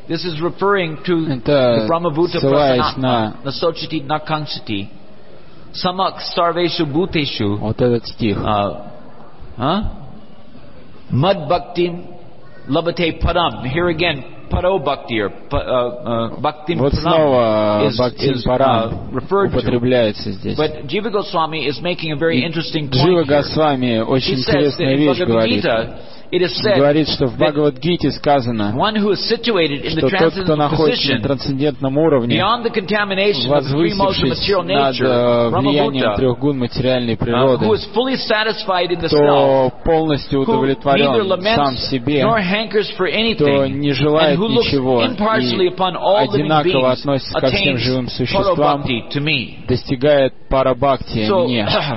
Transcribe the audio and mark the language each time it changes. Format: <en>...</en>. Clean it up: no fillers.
<ru>это ссылаясь на насочити накансити самак старвешу бутешу, вот этот стих, мад бхактим лабате парам.</ru> <en>Here again,</en> <ru>вот снова бхактим парам употребляется здесь.</ru> <en>But Jiva Goswami is making a very interesting point.</en> <ru>Джива Госвами очень интересная вещь говорит. Говорит, что в Бхагавад-гите сказано, что тот, кто находится на трансцендентном уровне, возвысившись над влиянием трех гун материальной природы, кто полностью удовлетворен сам себе, кто не желает ничего и одинаково относится ко всем живым существам, достигает парабхакти мне.</ru>